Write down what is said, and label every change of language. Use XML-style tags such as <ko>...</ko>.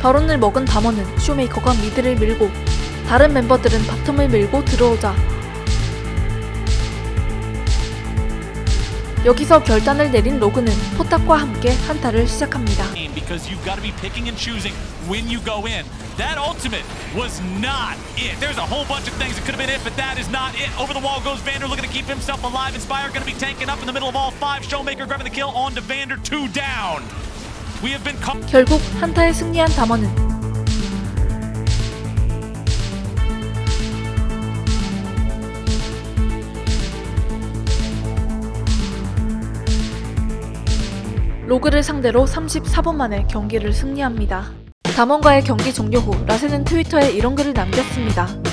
<ko>바론을 먹은 담원은 쇼메이커가 미드를 밀고 다른 멤버들은 바텀을 밀고 들어오자 여기서 결단을 내린 로그는 포탑과 함께 한타를 시작합니다.</ko> <en>Because you've got to be picking and choosing when you go in. That ultimate was not it. There's a whole bunch of things that could have been it, but that is not it. Over the wall goes Vander, looking to keep himself alive. Inspire going to be tanking up in the middle of all five. Showmaker grabbing the kill on to Vander. Two down. We have been.</en> <ko>결국 한타에 승리한 담원은. 로그를 상대로 34분 만에 경기를 승리합니다. 담원과의 경기 종료 후 라센은 트위터에 이런 글을 남겼습니다.</ko>